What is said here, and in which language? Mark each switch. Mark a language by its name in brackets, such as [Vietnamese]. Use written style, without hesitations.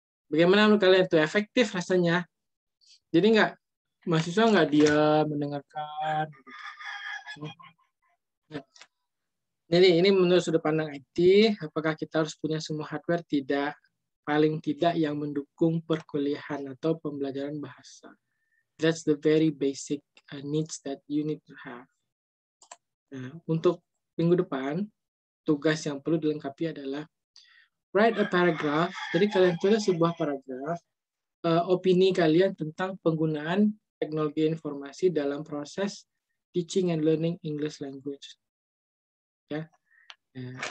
[Indonesian] Bagaimana menurut kalian itu efektif rasanya? Jadi enggak, mahasiswa enggak diam mendengarkan. Jadi ini menurut sudut pandang IT, apakah kita harus punya semua hardware? Tidak. Paling tidak yang mendukung perkuliahan atau pembelajaran bahasa. [English] That's the very basic needs that you need to have. [Indonesian] Nah, untuk minggu depan, tugas yang perlu dilengkapi adalah [English] write a paragraph. [Indonesian] Jadi kalian tulis sebuah paragraf opini kalian tentang penggunaan teknologi informasi dalam proses [English] teaching and learning English language. [Indonesian] Ya. Ya.